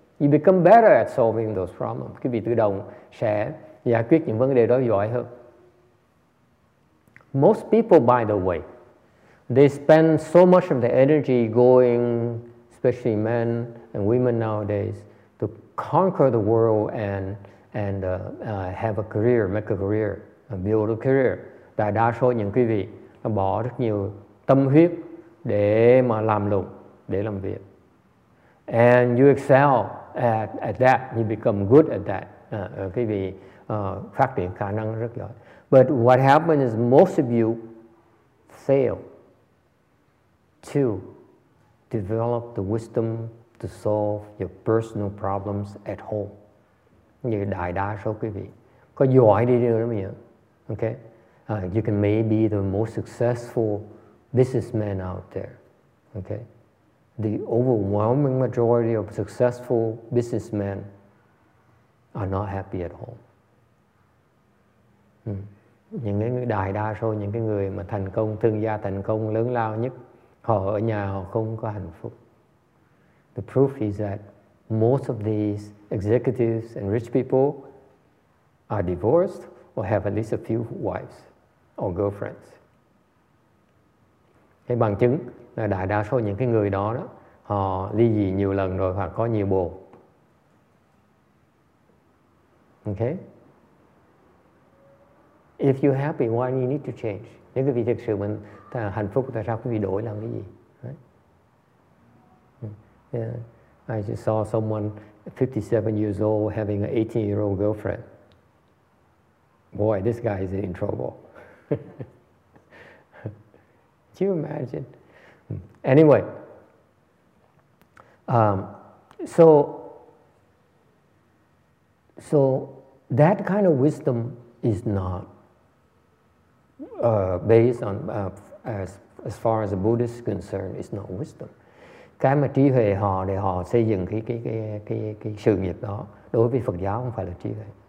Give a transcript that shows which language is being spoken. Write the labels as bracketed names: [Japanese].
[English] You become better at solving those problems. [Vietnamese] Quý vị tự động sẽ giải quyết những vấn đề đó giỏi hơn. [English] Most people, by the way, they spend so much of their energy going, especially men and women nowadays, to conquer the world and have a career, make a career, build a career. [Vietnamese] Đại đa số những quý vị nó bỏ rất nhiều tâm huyết để mà làm luôn, để làm việc. [English] And you excel at that, you become good at that. [Vietnamese] Quý vị phát triển khả năng rất giỏi. [English] But what happens is most of you fail to develop the wisdom to solve your personal problems at home. [Vietnamese] Như đại đa số quý vị có giỏi đi nữa mà nhỉ? [English] Okay, you can maybe the most successful businessman out there. Okay, the overwhelming majority of successful businessmen are not happy at home. [Vietnamese] Những cái đại đa số những cái người mà thành công, thương gia thành công lớn lao nhất, họ ở nhà họ không có hạnh phúc. [English] The proof is that most of these executives and rich people are divorced or have at least a few wives or girlfriends. [Vietnamese] Cái bằng chứng là đại đa số những cái người đó đó, họ ly dị nhiều lần rồi hoặc có nhiều bồ. [English] Okay? If you're happy, why do you need to change? [Vietnamese] Nếu quý vị thực sự mình hạnh phúc, tại sao quý vị đổi làm cái gì? [English] Right? Yeah. I just saw someone 57 years old having an 18-year-old girlfriend. Boy, this guy is in trouble. Can you imagine? Anyway, so that kind of wisdom is not based on as far as the Buddhist is concerned, it's not wisdom. [Vietnamese] Cái mà trí huệ họ để họ xây dựng cái sự nghiệp đó đối với Phật giáo không phải là trí huệ.